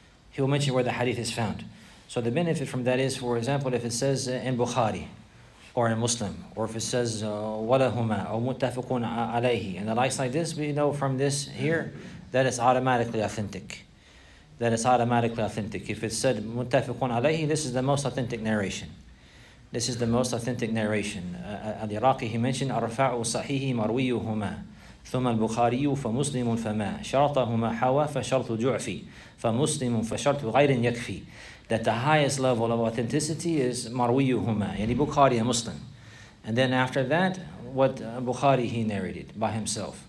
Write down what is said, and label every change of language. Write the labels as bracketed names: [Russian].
[English] He will mention where the hadith is found. So the benefit from that is, for example, if it says in Bukhari or in Muslim, or if it says walahuma or muttafaqun alayhi, and the likes like this, we know from this here that it's automatically authentic. That it's automatically authentic. If it said muttafaqun alayhi, this is the most authentic narration. This is the most authentic narration. [Arabic] Al-Iraqi, [English] he mentioned, [Arabic] أَرْفَعُ صَحِيهِ مَرْوِيُّهُمَا ثُمَّ الْبُخَارِيُّ فَمُسْلِمٌ فَمَا شَرْطَهُمَا حَوَى فَشَرْطُ جُعْفِي فَمُسْلِمٌ فَشَرْطُ غَيْرٍ يَكْفِي. [English] That the highest level of authenticity is مَرْوِيُّهُمَا, yani Bukhari, a Muslim. And then after that, what Bukhari he narrated by himself.